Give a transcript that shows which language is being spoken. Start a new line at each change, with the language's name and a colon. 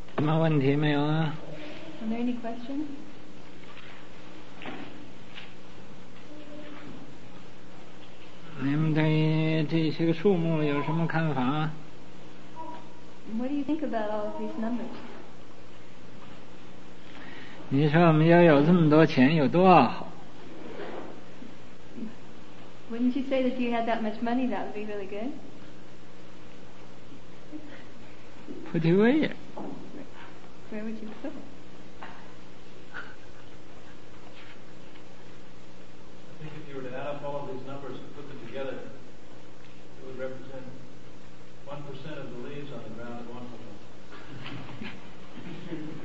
Chinese: 什么问题没有啊？
English: Are there any questions?
Chinese: 你们对这些个数目有什么看法啊？
English: What do you think about all of these numbers?
Chinese: 你说我们要有这么多钱有多好。
English: Wouldn't you say that if you had that much money, that would be really good? Put it away. Where would you put it? I think if you were to add up all of these numbers and put them together, it would represent 1% of the leaves on the ground at one point.